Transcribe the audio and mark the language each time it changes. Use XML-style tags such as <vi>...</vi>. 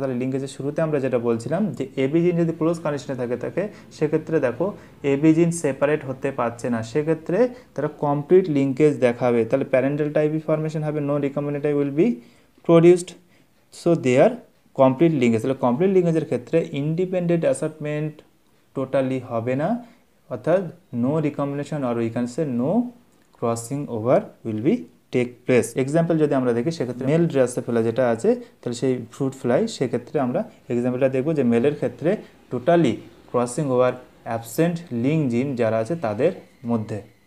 <bn>তাহলে লিঙ্কেজের শুরুতে আমরা যেটা বলছিলাম যে এবি জিন যদি ক্লোজ কানেকশনে থাকে তাকে, সেক্ষেত্রে দেখো এবি জিন সেপারেট হতে পারছে না, সেক্ষেত্রে তারা কমপ্লিট লিঙ্কেজ দেখাবে। তাহলে প্যারেন্টাল টাইপই ফরমেশন হবে,</bn> <en>No recombinant type will be produced, so they are complete linkage.</en> <bn>তাহলে কমপ্লিট লিঙ্কেজের ক্ষেত্রে ইন্ডিপেন্ডেন্ট অ্যাসর্টমেন্ট টোটালি হবে না, অর্থাৎ</bn> <en>No recombination or we can say no crossing over will be take place.</en> <bn>Example যদি আমরা দেখি সেক্ষেত্রে male Drosophila যেটা আছে তাহলে সেই fruit fly সেক্ষেত্রে আমরা এক্সাম্পলটা দেখব যে male এর ক্ষেত্রে</bn> <en>totally crossing over absent</en> <bn>link gene যারা আছে তাদের মধ্যে.</bn>